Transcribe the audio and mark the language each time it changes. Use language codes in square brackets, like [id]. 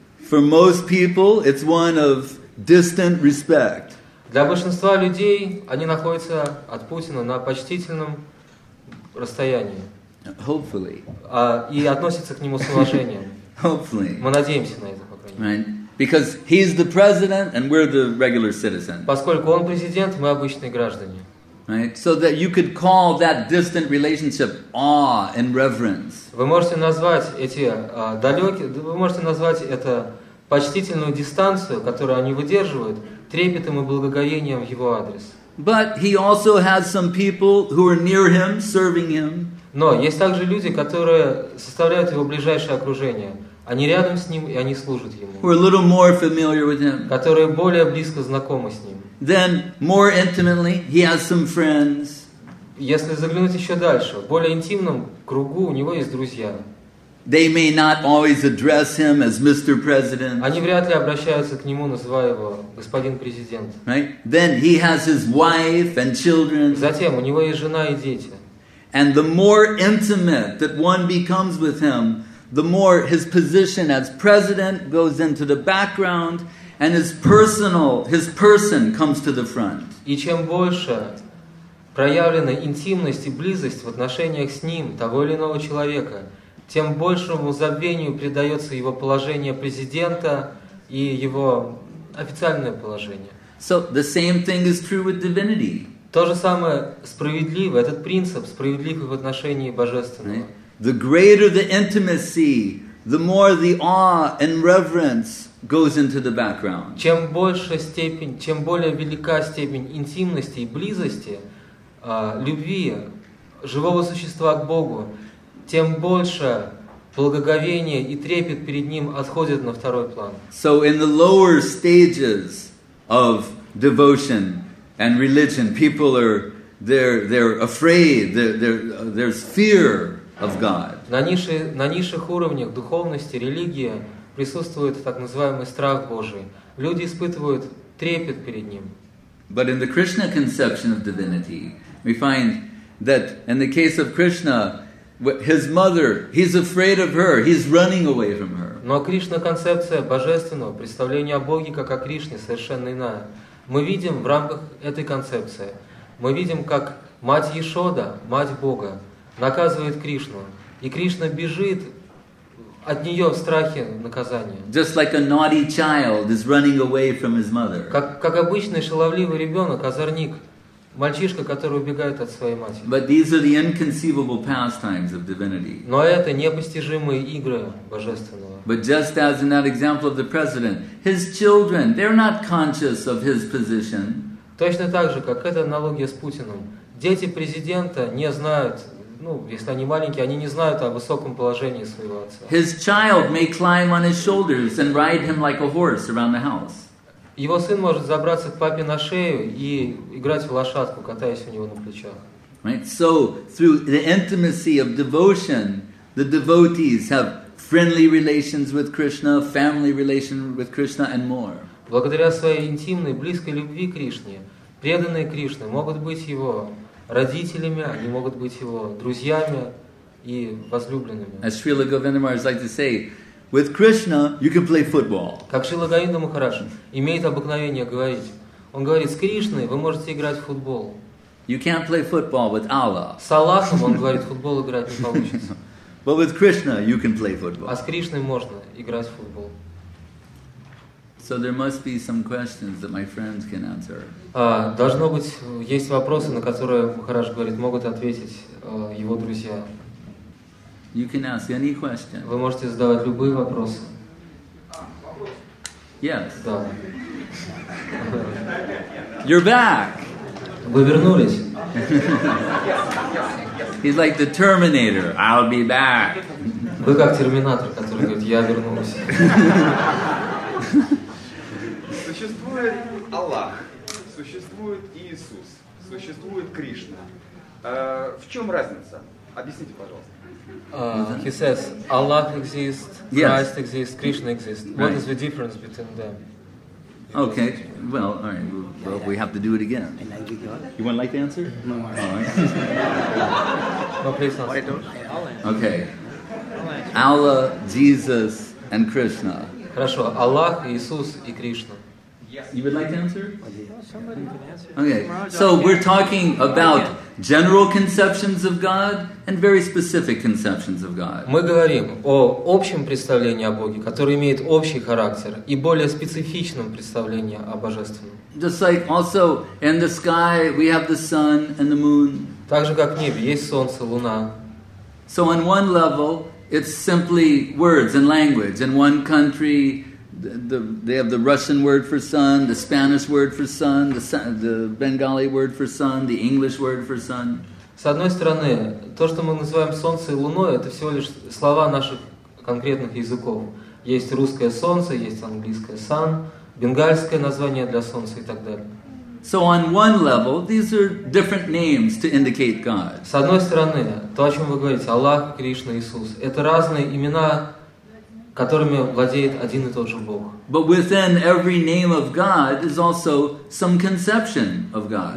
[en] For most people, it's one of distant respect. [ru] Для большинства людей они находятся от Путина на почтительном расстоянии. [en] Hopefully. [ru] И относятся к нему с уважением. [en] Hopefully. [ru] Мы надеемся на это, по крайней мере. [en] Right. Because he's the president and we're the regular citizen. [ru] Поскольку он президент, мы обычные граждане. [en] Right? So that you could call that distant relationship awe and reverence. [ru] Вы можете назвать эти далекие, вы можете назвать это почтительную дистанцию, которую они выдерживают, трепетом и благоговением в его адрес. [en] But he also has some people who are near him, serving him. [ru] Но есть также люди, которые составляют его ближайшее окружение. Они рядом с ним, и они служат ему. [en] Who are a little more familiar with him. [ru] Которые более близко знакомы с ним. [en] Then, more intimately, he has some friends. [ru] Если заглянуть еще дальше, в более интимном кругу у него есть друзья. [en] They may not always address him as Mr. President. [ru] Они вряд ли обращаются к нему, называя его господин президент. [en] Right? Then he has his wife and children. [ru] Затем у него есть жена и дети. [en] And the more intimate that one becomes with him, the more his position as president goes into the background, and his person comes to the front. [ru] И чем больше проявлена интимность и близость в отношениях с ним, того или иного человека, тем большему забвению придается его положение президента и его официальное положение. [en] So the same thing is true with divinity. [ru] То же самое справедливо, этот принцип справедлив и в отношении божественного. [en] Right? The greater the intimacy, the more the awe and reverence goes into the background. [ru] Чем больше степень, чем более велика степень интимности и близости, любви живого существа к Богу, тем больше благоговение и трепет перед ним отходит на второй план. [en] So in the lower stages of devotion and religion, people are they're afraid, there's fear. Of God. [ru] На низших уровнях духовности, религии присутствует так называемый страх Божий. Люди испытывают трепет перед ним. [en] But in the Krishna conception of divinity, we find that in the case of Krishna, his mother, he's afraid of her, he's running away from her. [ru] Но Кришна концепция божественного представления о Боге как о Кришне совершенно иная. Мы видим в рамках этой концепции, мы видим, как мать Ешода, мать Бога, наказывает Кришну, и Кришна бежит от нее в страхе наказания. [en] Just like a naughty child is running away from his mother. [ru] Как обычный шаловливый ребенок, озорник, мальчишка, который убегает от своей матери. [en] But these are the inconceivable pastimes of divinity. [ru] Но это непостижимые игры божественного. [en] But just as in that example of the president, his children, they're not conscious of his position. [ru] Точно так же, как эта аналогия с Путиным, дети президента не знают ну, если они маленькие, они не знают о высоком положении своего отца. [en] His child may climb on his shoulders and ride him like a horse around the house. [ru] Его сын может забраться к папе на шею и играть в лошадку, катаясь у него на плечах. [en] Right? So through the intimacy of devotion, the devotees have friendly relations with Krishna, family relation with Krishna, and more. [ru] Благодаря своей интимной, близкой любви к Кришне, преданные Кришне могут быть его родителями, они могут быть его друзьями и возлюбленными. [en] As Srila Govinda Maharaj likes to say, with Krishna you can play football. [ru] Как Шрила Говинда Махарадж имеет обыкновение говорить, он говорит, с Кришной вы можете играть в футбол. [en] You can't play football with Allah. [ru] С Аллахом, он говорит, футбол играть не получится. [en] But with Krishna you can play football. [ru] А с Кришной можно играть в футбол. [en] So there must be some questions that my friends can answer. [ru] Должно быть, есть вопросы, на которые Махарадж говорит, могут ответить его друзья. [en] You can ask any question. [ru] Вы можете задавать любые вопросы. [en] Yes. [ru] Да. [en] You're back. [ru] Вы вернулись. [en] He's like the Terminator. I'll be back. [ru] Вы как Терминатор, который говорит, я вернулась. Существует Аллах, существует Иисус, существует Кришна. В чем разница? Объясните, пожалуйста. [en] He says, Allah exists, Christ exists, Krishna exists. Right. What is the difference between them? Okay, well, all right. We have to do it again. You wouldn't like the answer? No, all right. No, please answer. Why don't I? Okay. Allah, Jesus, and Krishna. [ru] Хорошо, Аллах, Иисус и Кришна. [en] You would like to answer? Somebody can answer. Okay, so we're talking about general conceptions of God and very specific conceptions of God. [ru] Мы говорим о общем представлении о Боге, которое имеет общий характер, и более специфичном представлении о божественном. [en] Just like also in the sky we have the sun and the moon. [ru] Так же как в небе есть солнце, луна. [en] So on one level it's simply words and language in one country. They have the Russian word for sun, the Spanish word for sun, the Bengali word for sun, the English word for sun. [ru] С одной стороны, то, что мы называем солнце и луной, это всего лишь слова наших конкретных языков. Есть русское солнце, есть английское sun, бенгальское название для солнца и так далее. [en] So on one level, these are different names to indicate God. [ru] С одной стороны, то, о чем вы говорите, Аллах, Кришна, Иисус, это разные имена, которыми владеет один и тот же Бог. [en] But within every name of God is also some conception of God.